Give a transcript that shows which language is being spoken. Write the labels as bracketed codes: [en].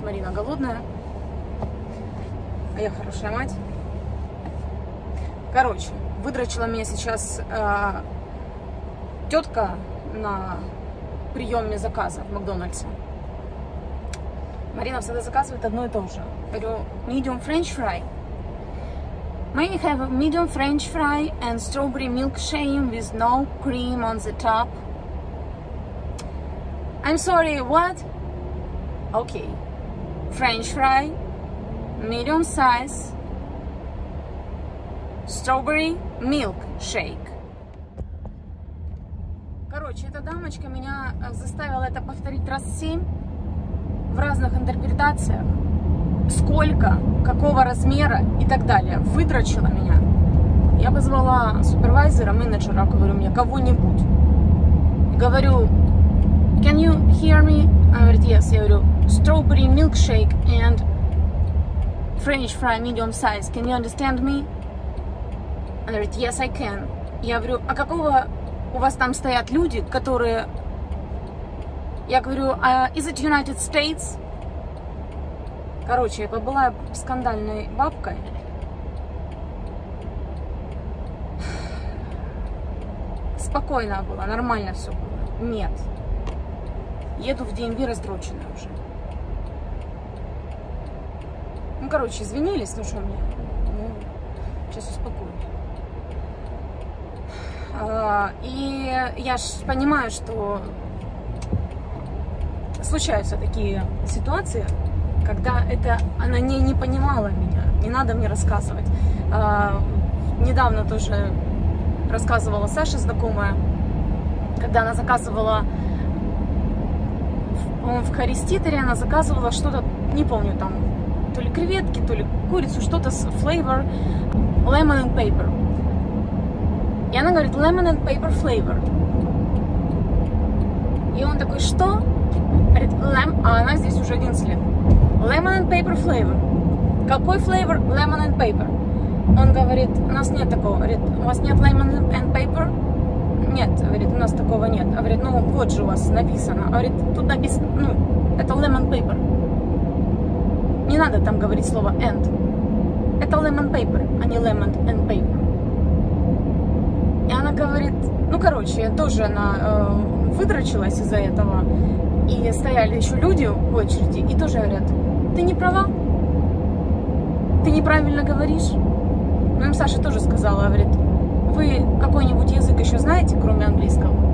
[ru] Марина голодная, а я хорошая мать. Короче, выдрочила меня сейчас тетка на приеме заказа в Макдональдсе. Марина всегда заказывает одно и то же. Говорю, [en] medium french fry. May I have a medium french fry and strawberry milkshake with no cream on the top? I'm sorry, what? Okay. French fry, medium size, strawberry milkshake. [ru] Короче, эта дамочка меня заставила это повторить раз 7. В разных интерпретациях, сколько, какого размера и так далее, выдрочила меня. Я позвала супервайзера, менеджера, говорю мне, кого-нибудь. Говорю, [en] can you hear me? [ru] Она говорит, [en] yes. [ru] Я говорю, [en] strawberry milkshake and french fry medium size. Can you understand me? [ru] Она говорит, [en] yes, I can. [ru] Я говорю, а какого у вас там стоят люди, которые... Я говорю, [en] is it United States? [ru] Короче, я побыла скандальной бабкой. Спокойно было, нормально все было. Нет. Еду в DMV раздроченная уже. Ну, короче, извинились, ну что мне? Ну, сейчас успокою. И я ж понимаю, что... Случаются такие ситуации, когда это она не понимала меня, не надо мне рассказывать. Недавно тоже рассказывала Саша знакомая, когда она заказывала, по-моему, в Харриститере она заказывала что-то, не помню там, то ли креветки, то ли курицу, что-то с [en] flavor, lemon and pepper. [ru] И она говорит, [en] lemon and pepper flavor. [ru] И он такой, что? Говорит, а она здесь уже 11 лет. [en] Lemon and paper flavor. [ru] Какой flavor? [en] Lemon and paper. [ru] Он говорит, у нас нет такого. Говорит, у вас нет [en] lemon and paper? [ru] Нет, говорит, у нас такого нет. Говорит, ну вот же у вас написано. Говорит, тут написано, ну, это [en] lemon paper. [ru] Не надо там говорить слово and. Это [en] lemon paper, [ru] а не [en] lemon and paper. [ru] И она говорит, ну короче, тоже она выдрочилась из-за этого. И стояли еще люди в очереди и тоже говорят, ты не права, ты неправильно говоришь. Ну, им Саша тоже сказала, говорит, вы какой-нибудь язык еще знаете, кроме английского?